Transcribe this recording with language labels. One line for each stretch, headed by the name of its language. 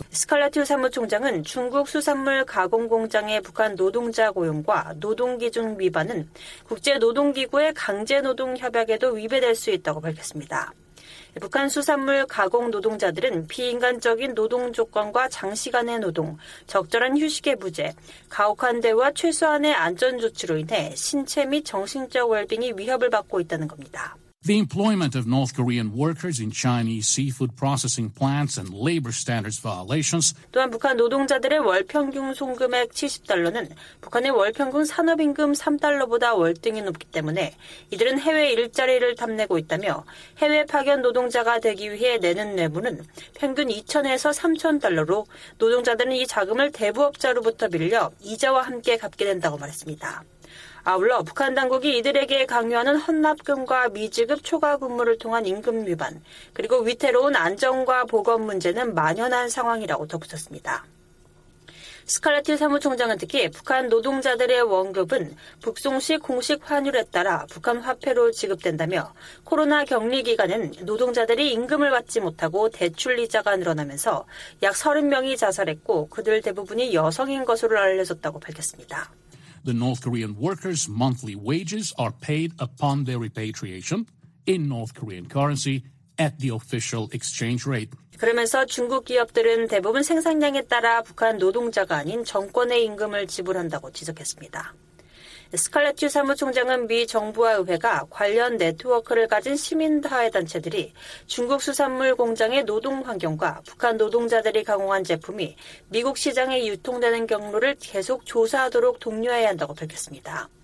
Korean: 스칼라티 사무총장은 중국 수산물 가공 공장의 북한 노동자 고용과 노동 기준 위반은 국제 노동 기구의 강제 노동 협약에도 위배될 수 있다고 밝혔습니다. 북한 수산물 가공 노동자들은 비인간적인 노동 조건과 장시간의 노동, 적절한 휴식의 부재, 가혹한 대우와 최소한의 안전 조치로 인해 신체 및 정신적 웰빙이 위협을 받고 있다는 겁니다.
English: The employment of North Korean workers in Chinese seafood processing plants and labor standards violations.
Korean: 또한 북한 노동자들의 월 평균 송금액 $70는 북한의 월 평균 산업임금 $3보다 월등히 높기 때문에 이들은 해외 일자리를 탐내고 있다며 해외 파견 노동자가 되기 위해 내는 뇌물은 평균 2천에서 3천 달러로 노동자들은 이 자금을 대부업자로부터 빌려 이자와 함께 갚게 된다고 말했습니다. 아울러 북한 당국이 이들에게 강요하는 헌납금과 미지급 초과 근무를 통한 임금 위반, 그리고 위태로운 안전과 보건 문제는 만연한 상황이라고 덧붙였습니다. 스칼라티 사무총장은 특히 북한 노동자들의 원급은 북송 시 공식 환율에 따라 북한 화폐로 지급된다며 코로나 격리 기간은 노동자들이 임금을 받지 못하고 대출 이자가 늘어나면서 약 30명이 자살했고 그들 대부분이 여성인 것으로 알려졌다고 밝혔습니다.
English: The North Korean workers' monthly wages are paid upon their repatriation in North Korean currency at the official exchange rate.
Korean: 그러면서 중국 기업들은 대부분 생산량에 따라 북한 노동자가 아닌 정권의 임금을 지불한다고 지적했습니다. 스칼라티 사무총장은 미 정부와 의회가 관련 네트워크를 가진 시민사회단체들이 중국 수산물 공장의 노동 환경과 북한 노동자들이 가공한 제품이 미국 시장에 유통되는 경로를 계속 조사하도록 독려해야 한다고 밝혔습니다.